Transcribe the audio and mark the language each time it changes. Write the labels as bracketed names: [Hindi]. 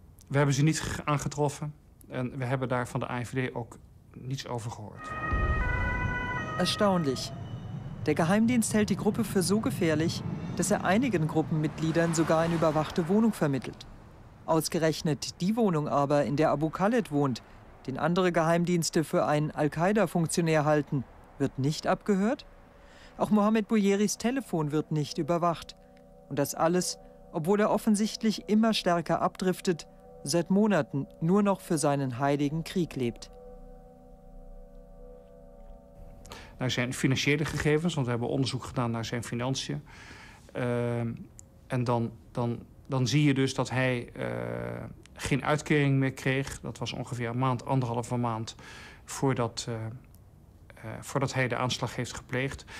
[Dutch] We hebben ze niet aangetroffen. En we hebben daar van de AfD ook niets over gehoord. [German] Erstaunlich. Der Geheimdienst hält die Gruppe für so gefährlich, dass er einigen Gruppenmitgliedern sogar eine überwachte Wohnung vermittelt. Ausgerechnet die Wohnung aber, in der Abu Khaled wohnt, den andere Geheimdienste für einen Al-Qaida-Funktionär halten, wird nicht abgehört? Auch Mohamed Bouyeris Telefon wird nicht überwacht. Und das alles, obwohl er offensichtlich immer stärker abdriftet, seit Monaten nur noch für seinen heiligen Krieg lebt. [Dutch] Naar zijn financiële gegevens, want we hebben onderzoek gedaan naar zijn financiën. En dan zie je dus dat hij geen uitkering meer kreeg. Dat was ongeveer een maand, anderhalve maand voordat hij de aanslag heeft gepleegd.